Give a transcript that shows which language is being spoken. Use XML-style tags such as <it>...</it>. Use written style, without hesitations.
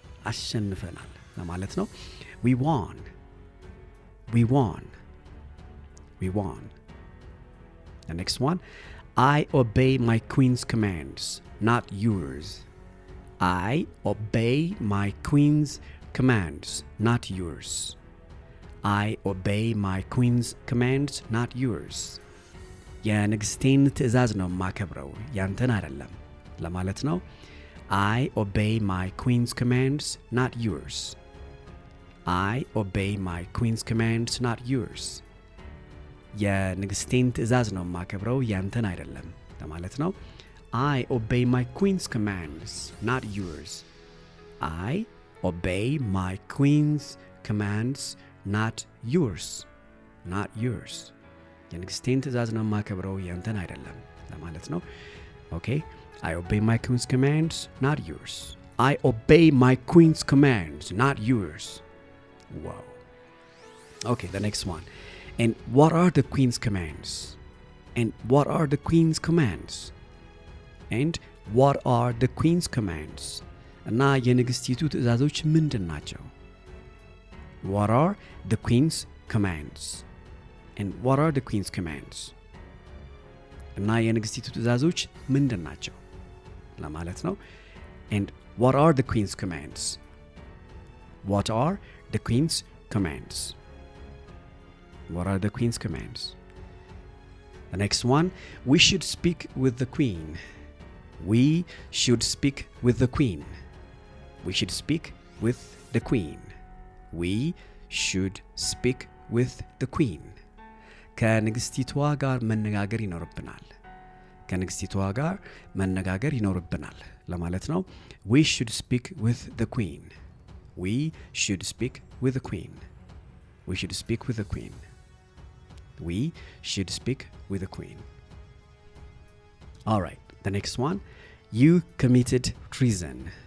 <am>አሸንፈናል ለማለት ነው.</am> <en>We won. We won. We won. The next one. I obey my queen's commands, not yours. I obey my queen's commands, not yours. I obey my queen's commands, not yours.</en> <am>የንግስቴን ትእዛዝ ነው ማከብረው ያንተን አይደለም ለማለት ነው.</am> <en>I obey my queen's commands, not yours. I obey my queen's commands, not yours.</en> <am>የንግስቴን ትእዛዝ ነው ማከብረው ያንተን አይደለም ለማለት ነው.</am> <en>I obey my queen's commands, not yours. I obey my queen's commands, not yours. Not yours.</en> <am>የንግስቴን ትእዛዝ ነው ማከብረው ያንተን አይደለም ለማለት ነው.</am> <en>Okay. I obey my queen's commands, not yours. I obey my queen's commands, not yours. Wow. Okay, the next one. And what are the queen's commands? And what are the queen's commands? And what are the queen's commands?</en> <am>እና የንግስቲቱ ትእዛዞች ምንድን ናቸው?</am> <en>What are the queen's commands? And what are the queen's commands?</en> <am>እና የንግስቲቱ ትእዛዞች ምንድን ናቸው? ለማለት ነው.</am> <en>And what are the queen's commands? What are the queen's commands? What are the queen's commands? The next one, we should speak with the queen. We should speak with the queen. We should speak with the queen. We should speak with the queen.</en> <am>ከንግስቲቷ ጋር መነጋገር ይኖርብናል. ከንግስቲቷ ጋር መነጋገር ይኖርብናል ለማለት ነው.</am> <en>We should speak with the queen. We should speak with the queen. We should speak with the queen. We should speak with the queen. All right, the next one. You committed treason.</en>